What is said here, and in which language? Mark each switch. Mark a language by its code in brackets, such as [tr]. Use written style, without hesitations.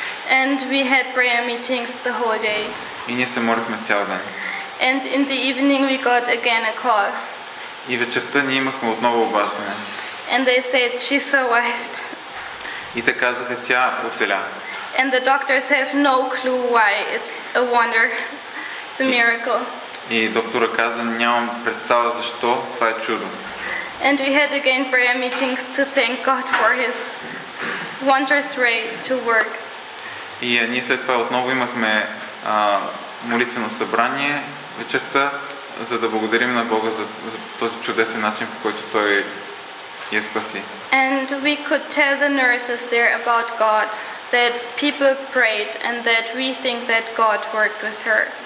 [en] And we had prayer meetings the whole day. [bg] И ние се молихме цял ден. [en] And in the evening we got again a call. [bg] И вечерта ние имахме отново обаждане. [en] And they said she survived. [bg] И те казаха, тя оцеля. [en] And the doctors have no clue why. It's a wonder. It's a miracle. [bg] И доктора каза, нямам представа защо, това е чудо. [en] And we had again prayer meetings to thank God for his wondrous way to work. [bg] И ние след това отново имахме молитвено събрание вечерта, за да благодарим на Бога за този чудесен начин, по който той я спаси. [en] And we could tell the nurses there about God. That people prayed and that we think that God worked with her.